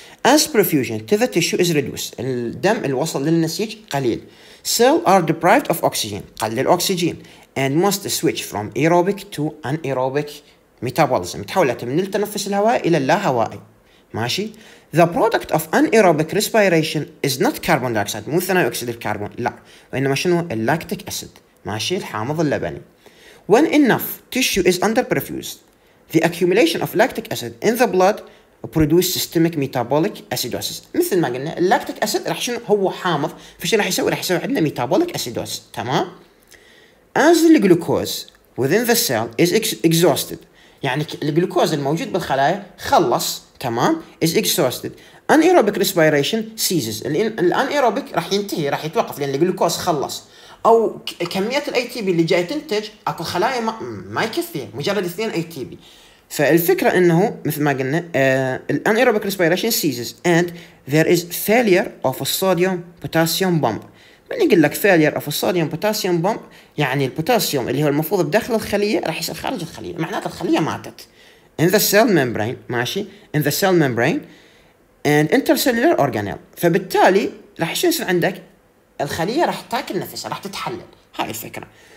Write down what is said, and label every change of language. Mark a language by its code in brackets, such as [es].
[en] As perfusion to the tissue is reduced، [ar] الدم الوصل للنسيج قليل. [en] Cells are deprived of oxygen، [ar] قلل الاكسجين. [en] And must switch from aerobic to anaerobic metabolism، [ar] تحولت من التنفس الهوائي الى اللاهوائي، ماشي؟ [en] The product of anaerobic respiration is not carbon dioxide، [ar] مو ثاني اكسيد الكربون، لا، وانما شنو؟ اللاكتيك اسيد، ماشي؟ الحامض اللبني. [en] When enough tissue is under perfused، the accumulation of lactic acid in the blood produce systemic metabolic acidosis. [ar] مثل ما قلنا اللاكتيك اسيد راح شنو؟ هو حامض، فشنو راح يسوي؟ راح يسوي عندنا ميتابوليك اسيدوس، تمام؟ [en] As the glucose within the cell is exhausted، [ar] يعني الجلوكوز الموجود بالخلايا خلص، تمام؟ [en] is exhausted. Anaerobic respiration ceases، [ar] الانيروبيك راح ينتهي، راح يتوقف لان الجلوكوز خلص. او كميه الاي تي بي اللي جاي تنتج اكو خلايا ما يكفيها، مجرد 2 اي تي بي. فالفكره انه مثل ما قلنا الانيروبيك [en] respiration ceases and there is failure of a sodium potassium pump. [ar] من يقول لك [en] failure of a sodium potassium pump، [ar] يعني البوتاسيوم اللي هو المفروض بداخل الخليه راح يصير خارج الخليه، معناته الخليه ماتت. [en] In the cell membrane، [ar] ماشي؟ In the cell membrane [en] and intercellular organelle، [ar] فبالتالي راح شو يصير عندك؟ الخليه راح تاكل نفسها، راح تتحلل، هاي الفكره.